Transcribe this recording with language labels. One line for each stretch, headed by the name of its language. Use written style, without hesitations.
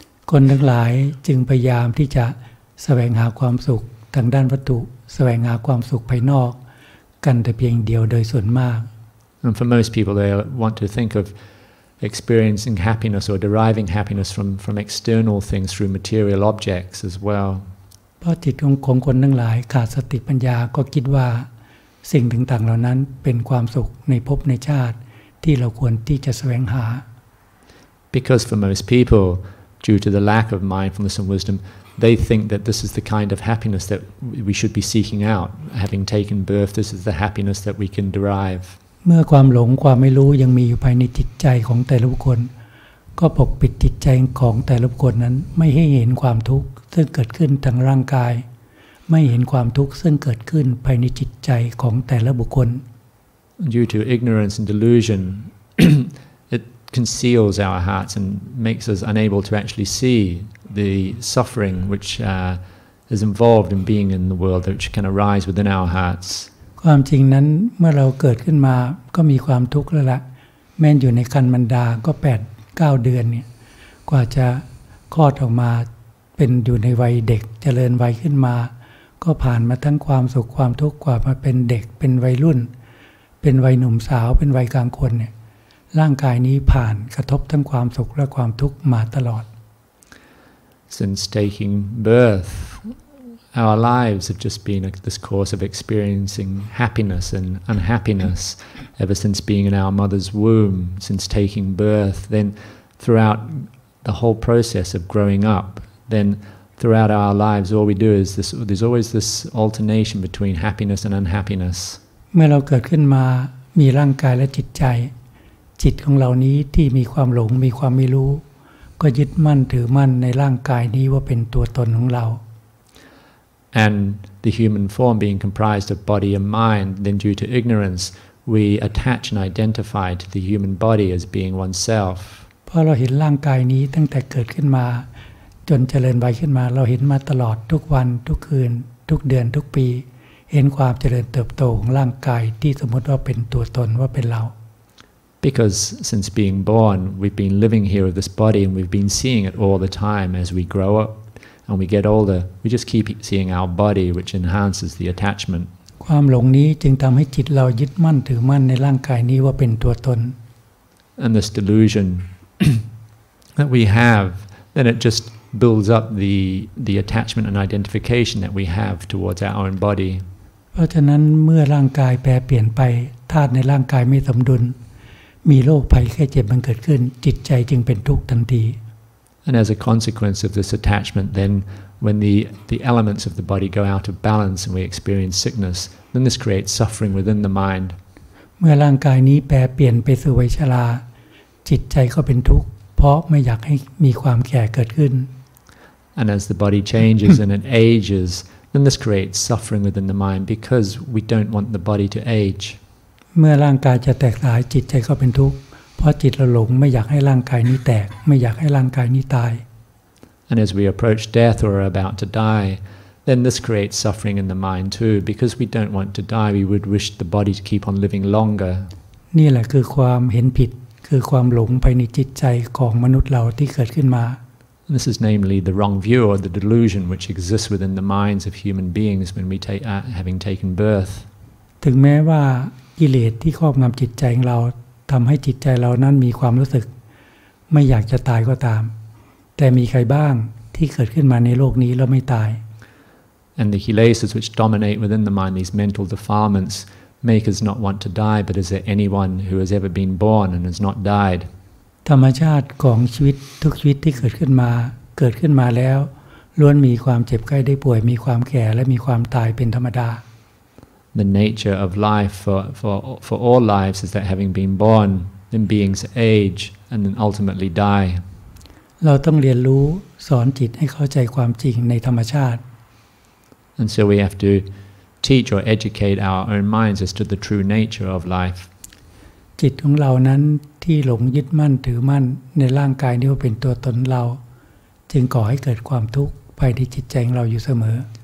Thai: คนทั้งหลายจึงพยายามที่จะแสวงหาความสุขทางด้านวัตถุแสวงหาความสุขภายนอกกันแต่เพียงเดียวโดยส่วนมาก
English: And for most people they want to think of experiencing happiness or deriving happiness from external things through material objects as well
Thai: เพราะจิตของคนทั้งหลายขาดสติปัญญาก็คิดว่าสิ่งต่างๆเหล่านั้นเป็นความสุขในภพในชาติที่เราควรที่จะแสวงหา
English: Because for most people due to the lack of mindfulness and wisdomThey think that this is the kind of happiness that we should be seeking out. Having taken birth, this is the happiness that we can derive.
Thai: เมื่อความหลงความไม่รู้ยังมีอยู่ภายในจิตใจของแต่ละบุคคลก็ปกปิดจิตใจของแต่ละบุคคลนั้นไม่ให้เห็นความทุกข์ซึ่งเกิดขึ้นทางร่างกายไม่เห็นความทุกข์ซึ่งเกิดขึ้นภายในจิตใจของแต่ละบุคคล
English: Due to ignorance and delusion, it conceals our hearts and makes us unable to actually see. The suffering which is involved in being in the world, which can arise within our hearts.
Thai: ความจริงนั้นเมื่อเราเกิดขึ้นมาก็มีความทุกข์แล้วล่ะแม้อยู่ในครรภ์มารดาก็8 9เดือนเนี่ยกว่าจะคลอดออกมาเป็นอยู่ในวัยเด็กเจริญวัยขึ้นมาก็ผ่านมาทั้งความสุขความทุกข์กว่ามาเป็นเด็กเป็นวัยรุ่นเป็นวัยหนุ่มสาวเป็นวัยกลางคนเนี่ยร่างกายนี้ผ่านกระทบทั้งความสุขและความทุกข์มาตลอด
English: Since taking birth, our lives have just been this course of experiencing happiness and unhappiness ever since being in our mother's womb, since taking birth, then throughout the whole process of growing up, then throughout our lives all we do is this, there's always this alternation between happiness and unhappiness.
Thai: เมื่อเราเกิดขึ้นมามีร่างกายและจิตใจจิตของเรานี้ที่มีความหลงมีความไม่รู้ก็ยึดมั่นถือมั่นในร่างกายนี้ว่าเป็นตัวตนของเรา
English: And the human form being comprised of body and mind then due to ignorance we attach and identify to the human body as being oneself
Thai: เพราะเราเห็นร่างกายนี้ตั้งแต่เกิดขึ้นมาจนเจริญวัยขึ้นมาเราเห็นมาตลอดทุกวันทุกคืนทุกเดือนทุกปีเห็นความเจริญเติบโตของร่างกายที่สมมติว่าเป็นตัวตนว่าเป็นเรา
English: Because since being born, we've been living here with this body and we've been seeing it all the time as we grow up and we get older. We just keep seeing our body, which enhances the attachment.
Thai: ความหลงนี้จึงทำให้จิตเรายึดมั่นถือมั่นในร่างกายนี้ว่าเป็นตัวตน
English: And this delusion that we have, then it just builds up the attachment and identification that we have towards our own body.
Thai: เพราะฉะนั้นเมื่อร่างกายแปรเปลี่ยนไปธาตุในร่างกายไม่สมดุลมีโรคภัยแค่เจ็บมันเกิดขึ้นจิตใจจึงเป็นทุกข์ทันที
English: And as a consequence of this attachment then when the elements of the body go out of balance and we experience sickness then this creates suffering within the mind
Thai: เมื่อร่างกายนี้แปรเปลี่ยนไปสู่วัยชราจิตใจก็เป็นทุกข์เพราะไม่อยากให้มีความแก่เกิดขึ้น
English: And as the body changes and it ages then this creates suffering within the mind because we don't want the body to age
Thai: เมื่อร่างกายจะแตกสลายจิตใจก็เป็นทุกข์เพราะจิตเราหลงไม่อยากให้ร่างกายนี้แตกไม่อยากให้ร่างกายนี้ตาย
English: And as we approach death or are about to die then this creates suffering in the mind too, because we don't want to die, we would wish the body to keep on living longer.
Thai: นี่แหละคือความเห็นผิดคือความหลงภายในจิตใจของมนุษย์เราที่เกิดขึ้นมา
English: This is namely the wrong view or the delusion which exists within the minds of human beings when we take having taken birth.
Thai: ถึงแม้ว่ากิเลสที่ครอบงำจิตใจของเราทำให้จิตใจเรานั้นมีความรู้สึกไม่อยากจะตายก็ตามแต่มีใครบ้างที่เกิดขึ้นมาในโลกนี้แล้วไม่ตาย
English: And the kilesas which dominate within the mind, these mental defilements, make us not want to die, but is there anyone who has ever been born and has not died?
Thai: ธรรมชาติของชีวิตทุกชีวิตที่เกิดขึ้นมาแล้วล้วนมีความเจ็บไข้ได้ป่วยมีความแก่และมีความตายเป็นธรรมดา
English: The nature of life for all lives is that having been born, then beings age, and then ultimately die.
Thai: เราต้องเรียนรู้สอนจิตให้เข้าใจความจริงในธรรมชาติ
English: And so we have to teach or educate our own minds as to the true nature of life.
Thai: จิตของเรานั้นที่หลงยึดมั่นถือมั่นในร่างกายนี้ว่าเป็นตัวตนเราจึงก่อให้เกิดความทุกข์ภายในจิตใจของเราอยู่เสมอ